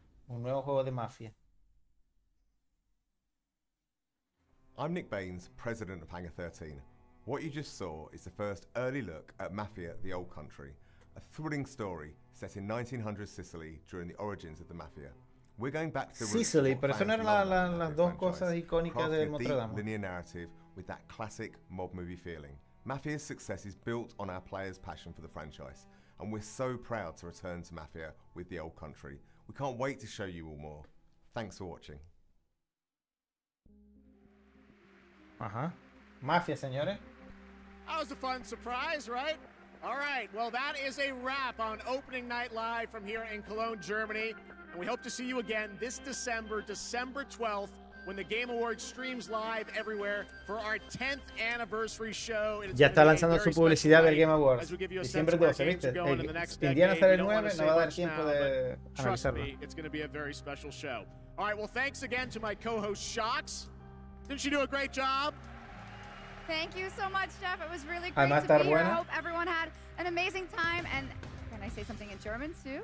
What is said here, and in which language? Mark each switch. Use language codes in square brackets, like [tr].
[es] Un nuevo juego de mafia. [en] I'm Nick Baines, president of Hangar 13. What you just saw is the first early look at Mafia, the Old Country, a thrilling story set in 1900s Sicily during the origins of the Mafia. We're going back to [es] Sicily, pero eso no era las dos cosas icónicas de Notre Dame. [en] Linear narrative with that classic mob movie feeling. Mafia's success is built on our players' passion for the franchise, and we're so proud to return to Mafia with the Old Country. We can't wait to show you all more. Thanks for watching. [es] Ajá. Mafia, señores. [en] That was a fun surprise, right? All right. Well, that is a wrap on Opening Night Live from here in Cologne, Germany. And we hope to see you again this December, December 12th, when the Game Awards streams live everywhere for our 10th anniversary show. [es] Ya está lanzando su publicidad del Game Awards. Diciembre 12, ¿viste? Indiana sale el 9, no va a dar tiempo de analizarlo. [en] Trust me, it's going to be a very special show. All right. Well, thanks again to my co-host, Shox. Didn't she do a great job? Thank you so much, Jeff. It was really great to be here. I hope everyone had an amazing time. And can I say something in German too?